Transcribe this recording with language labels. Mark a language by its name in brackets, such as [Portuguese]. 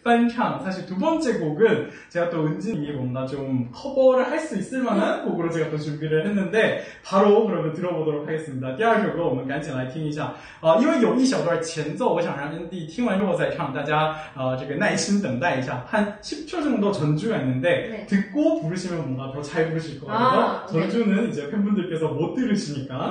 [Korean] 翻唱, 사실 두 번째 곡은 제가 또 은지님이 뭔가 좀 커버를 할 수 있을 만한 곡으로 제가 또 준비를 했는데 바로 그러면 들어보도록 하겠습니다. [Chinese] 第二首歌我们赶紧来听一下，因为有一小段前奏，我想让ND听完之后再唱，大家这个耐心等待一下。 [Korean] 한 10초 정도 전주가 있는데 듣고 부르시면 뭔가 더 잘 부르실 것 같아서 전주는 이제 팬분들께서 못 들으시니까